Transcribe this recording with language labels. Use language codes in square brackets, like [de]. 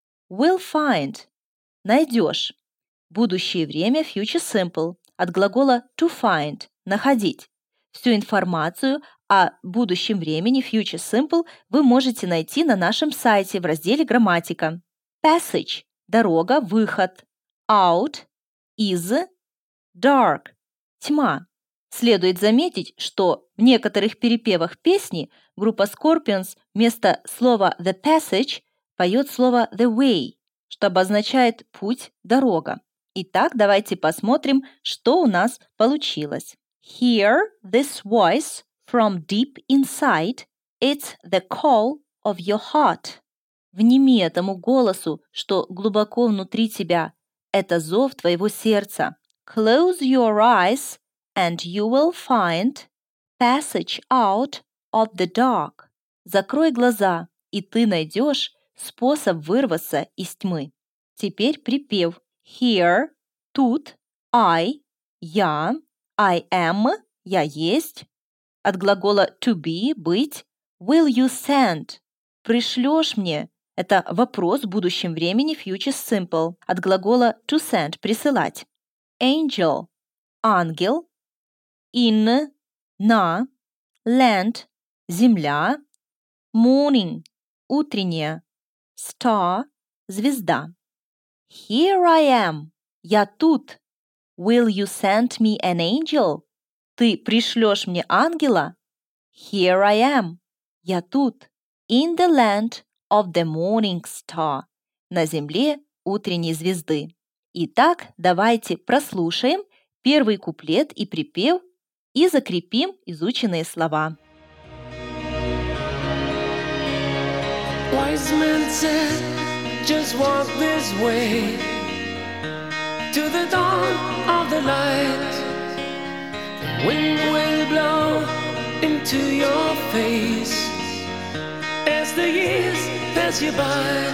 [ru] Will find, найдешь, будущее время, future simple, от глагола to find, находить. Всю информацию о будущем времени Future Simple вы можете найти на нашем сайте в разделе «Грамматика». Passage – дорога, выход. Out – is – dark – тьма. Следует заметить, что в некоторых перепевах песни группа Scorpions вместо слова «the passage» поет слово «the way», что обозначает путь, дорога. Итак, давайте посмотрим, что у нас получилось. [en] Hear this voice from deep inside. It's the call of your heart. [ru] Внеми этому голосу, что глубоко внутри тебя. Это зов твоего сердца. [en] Close your eyes and you will find passage out of the dark. [ru] Закрой глаза, и ты найдешь способ вырваться из тьмы. Теперь припев. Here, тут, I, я. I am – я есть. От глагола to be – быть. Will you send – пришлешь мне. Это вопрос в будущем времени future simple. От глагола to send – присылать. Angel – ангел. In – на. Land – земля. Morning – утреннее. Star – звезда. [en] Here I am [ru] – я тут. [en] Will you send me an angel? [ru] Ты пришлёшь мне ангела? [en] Here I am. [ru] Я тут. [en] In the land of the morning star. [ru] На земле утренней звезды. Итак, давайте прослушаем первый куплет и припев и закрепим изученные слова. [en] Wise men said, just walk this way. To the dawn of the light, the wind will blow into your face as the years pass you by.